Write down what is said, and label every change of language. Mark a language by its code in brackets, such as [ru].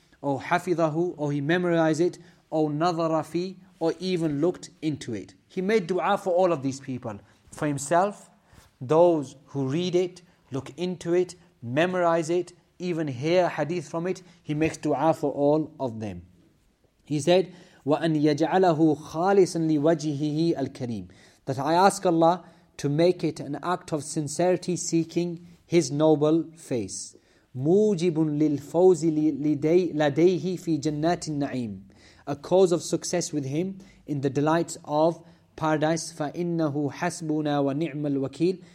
[en] "Aw hafidahu," or he memorized it. "Aw nadhara fi," or even looked into it. He made dua for all of these people. For himself, those who read it, look into it, memorize it, even hear hadith from it, he makes dua for all of them. He said, [ar] وَأَنْ يَجْعَلَهُ خَالِصًا لِوَجْهِهِ الْكَرِيمِ. [en] That I ask Allah to make it an act of sincerity seeking His noble face. [ar] مُوجِبٌ لِلْفَوْزِ لَدَيْهِ فِي جَنَّاتِ النَّعِيمِ. [en] A cause of success with Him in the delights of Paradise. [ar] فَإِنَّهُ حَسْبُنَا وَنِعْمَ الْوَكِيلِ.